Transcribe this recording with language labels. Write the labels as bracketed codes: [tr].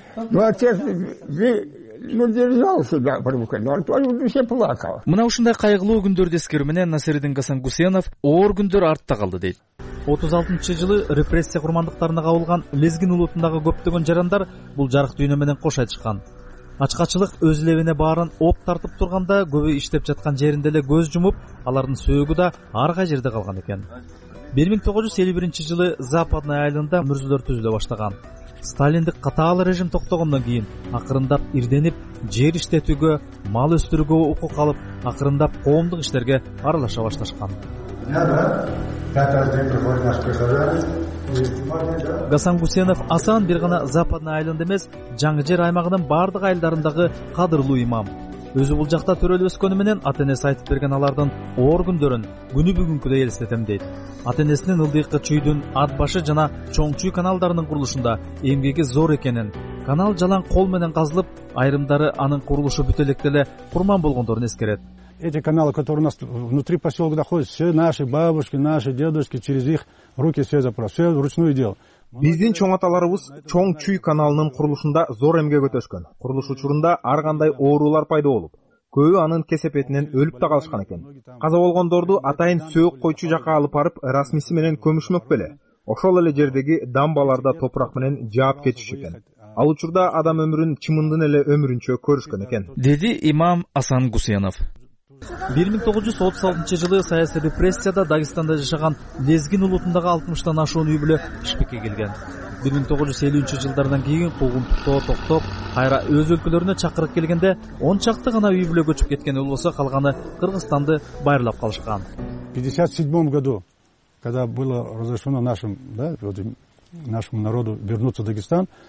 [ru] Ну, отец, ну, держал себя в руках, но он тоже в душе плакал. [ky] Мына ушундай кайгылуу күндөрдү эскерүү менен Насиреддин Гасангусенов оор күндөр артта калды дейт. 36-чы жылы репрессия курмандыктарына кабылган Лезгин улутундагы көптөгөн жарандар бул жарык дүйнө менен кош айтышкан. Ачкачылык өз лебине баарын оп тартып турганда көбү иштеп жаткан жеринде эле көз жумуп, алардын сөөгү да ар кай жерде калган экен. 1951-чы жылы Западный айылында мүрзөлөр түзүлө баштаган. Сталиндик катаал режим токтогондон кийин акырындап ирденип, жер иштетүүгө, мал өстүрүүгө укук алып, акырындап коомдук иштерге аралаша башташкан. Гасан Гусенов асан бир гана Западный айылында эмес, жаңы жер аймагынын бардык айылдарындагы кадырлуу имам. Өзү бул жакта төрөлүп өскөнү менен ата энеси айтып берген алардын оор күндөрүн күнү бүгүнкүдөй элестетем дейт. Ата энесинин ылдыйкы чүйдүн ат башы жана чоңчуй каналдарынын курулушунда эмгеги зор экенин, канал жалаң кол менен казылып, айрымдары анын курулушу бүтө электе эле курман болгондорун эскерет. [ru] Эти каналы, которые у нас внутри поселка находятся, все наши бабушки, наши дедушки, через их руки все заправлены, все вручную дело. [ky] Биздин чоң аталарыбыз чоң чүй каналынын курулушунда зор эмгек көтөшкөн. Курулуш учурунда ар кандай оорулар пайда болуп, көбү анын кесепетинен өлүп да калышкан экен. Каза болгондорду атайын сөөк койчу жака алып барып, расмиси менен көмүшмөк беле. Ошол эле жердеги дамбаларда топурак менен жаап кетиш экен. Ал учурда адам өмүрүн чымындын эле өмүрүнчө көрүшкөн экен. Деди имам Асан Гусенов. 1936 жылы саясий репрессияда Дагестанда жашаган Лезгин улутундагы 60-тан ашуун үй бүлө Бишкекке келген. 1950 жылдардан кийин куугунтуктоо токтоп, кайра өз өлкөлөрүнө чакырык келгенде 10 чакты гана үй бүлө көчүп кеткени болсо, калганы Кыргызстанды байырлап калышкан. [ru] 57-м году, когда было разрешено нашим, да, нашему народу вернуться в Дагестан,